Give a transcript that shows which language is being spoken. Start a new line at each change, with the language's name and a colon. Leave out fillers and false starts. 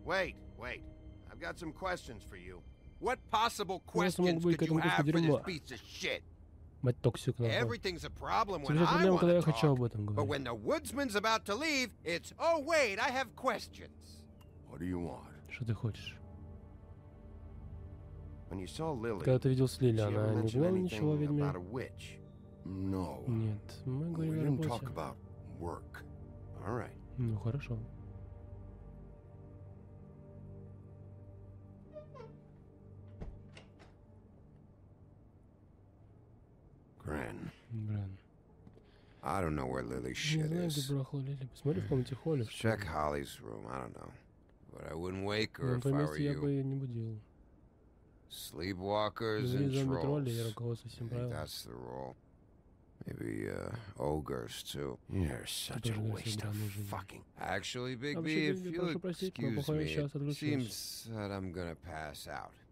English: Wait, wait. I've got some questions for you. What possible questions could you have for this piece of shit? Everything's a problem when I want to talk. But when the woodsman's about to leave, it's, oh wait, I have questions. What do you want?
Russian: Что ты хочешь?
English: When you saw Lily,
Russian: когда ты видел с Лили, она не говорила ничего о ведьме?
English: No.
Russian: Нет, мы говорили о работе.
English: Talk about work. All right.
Russian: Ну хорошо. Гран.
English: I don't know where Lily's shit is.
Russian: Посмотри в комнате Холли.
English: Check Holly's room. I don't know. But I wouldn't wake her if I were you.
Russian: Я бы её не будил.
English: Sleepwalkers and trolls. That's the role. Maybe ogres too. You're such a waste of fucking. Actually, Bigby, if you'll excuse me, it seems that I'm gonna pass out.